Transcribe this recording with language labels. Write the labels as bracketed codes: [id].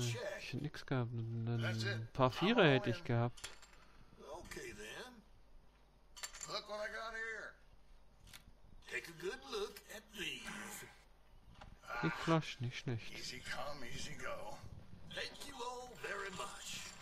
[de] Ich hätte nichts gehabt. Dann ein paar Vierer hätte ich gehabt. [en] Okay, then. Look what I got here. Take a good look at these. [de] Die Flasche, nicht schlecht. [en] Easy come, easy go. Thank you all very much.